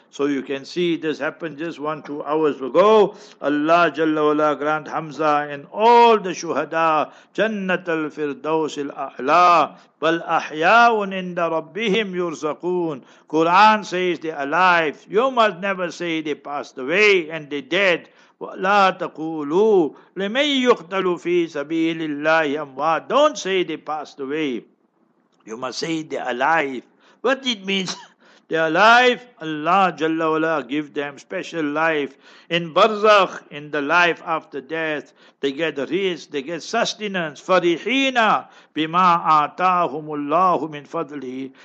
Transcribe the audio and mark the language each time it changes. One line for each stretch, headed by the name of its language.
English: So you can see this happened just 1-2 hours ago. Allah Jalla wa'ala grant Hamza and all the Shuhada Jannat al-Firdaus al-A'la
Arabic: bal ahyaun inda rabbihim yurzaqoon.
English: Quran says they are alive. You must never say they passed away and they dead.
Arabic: ولا تقولوا لمن يقتل في سبيل الله أموات.
English: Don't say they passed away. You must say they're alive. What it means? They're alive. Allah Jalla Wala give them special life. In Barzakh, in the life after death, they get rizq, they get sustenance.
Arabic: Farihina bima atahum Allahu min fadlihi.